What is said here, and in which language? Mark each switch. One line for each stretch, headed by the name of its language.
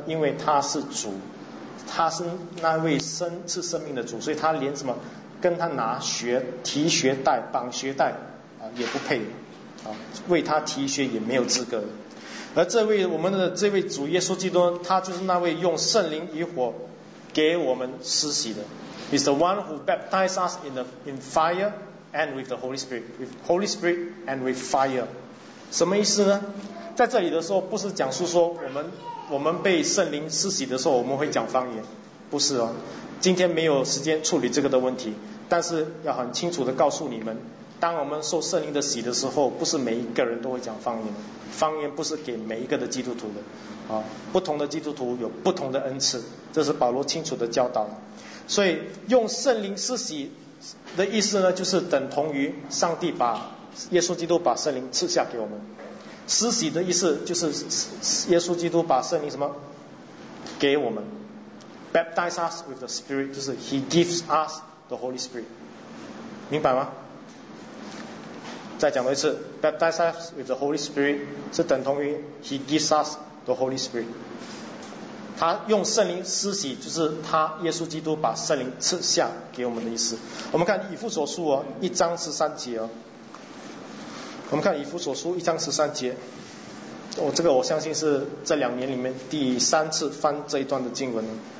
Chinese: 因为他是主，他是那位生命的主，所以他连什么跟他拿靴提靴带绑靴带也不配为他提靴也没有资格。而这位我们的这位主耶稣基督，他就是那位用圣灵与火给我们施洗的。
English: He's the one who baptized us in fire and with the Holy Spirit. With Holy Spirit and with fire.
Chinese: 什么意思呢？在这里的时候不是讲述说我们被圣灵施洗的时候我们会讲方言。不是哦。今天没有时间处理这个的问题。但是要很清楚地告诉你们，当我们受圣灵的洗的时候，不是每一个人都会讲方言，方言不是给每一个的基督徒的，啊，不同的基督徒有不同的恩赐，这是保罗清楚的教导。所以用圣灵施洗的意思呢，就是等同于上帝把耶稣基督把圣灵赐下给我们，施洗的意思就是耶稣基督把圣灵什么给我们 ，
English: baptize us with the Spirit，
Chinese: 就是
English: He gives us the Holy Spirit，
Chinese: 明白吗？再讲一次
English: ，baptize us with the Holy Spirit
Chinese: 是等同于
English: He gives us the Holy Spirit。
Chinese: 他用圣灵施洗，就是他耶稣基督把圣灵赐下给我们的意思。我们看以弗所书哦，一章十三节哦。我们看以弗所书一章十三节，我这个我相信是这两年里面第三次翻这一段的经文了。